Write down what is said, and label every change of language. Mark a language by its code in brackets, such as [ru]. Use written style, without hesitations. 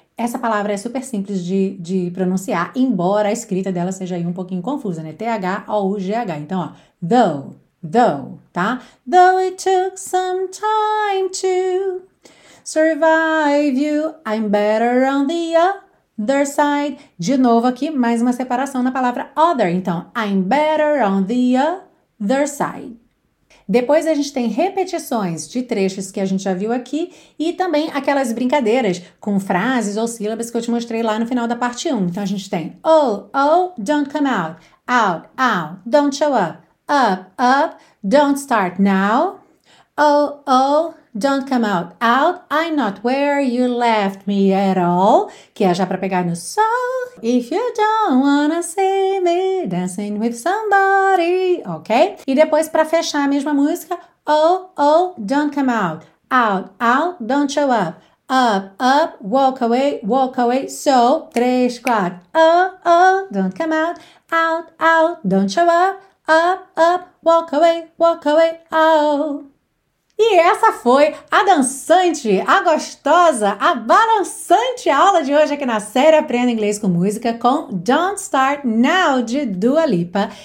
[pt] Essa palavra é super simples de pronunciar, embora a escrita dela seja aí um pouquinho confusa, né? T-H-O-U-G-H. Então, ó. Though, tá? [en] Though it took some time to survive you, I'm better on the other side. [pt] De novo aqui, mais uma separação na palavra other. [en] Então, I'm better on the other side. [pt] Depois a gente tem repetições de trechos que a gente já viu aqui e também aquelas brincadeiras com frases ou sílabas que eu te mostrei lá no final da parte 1. Então a gente tem [en] oh, don't come out, out, don't show up, up, don't start now, oh, don't come out, I'm not where you left me at all, [pt] que é já pra pegar no sol. [en] If you don't wanna see me dancing with somebody, ok? [pt] E depois pra fechar a mesma música, [en] oh, don't come out, don't show up, up, walk away, so, 3, 4, oh, don't come out, don't show up, walk away, oh. [pt] E essa foi a dançante, a gostosa, a balançante aula de hoje aqui na série Aprenda Inglês com Música com Don't Start Now, de Dua Lipa.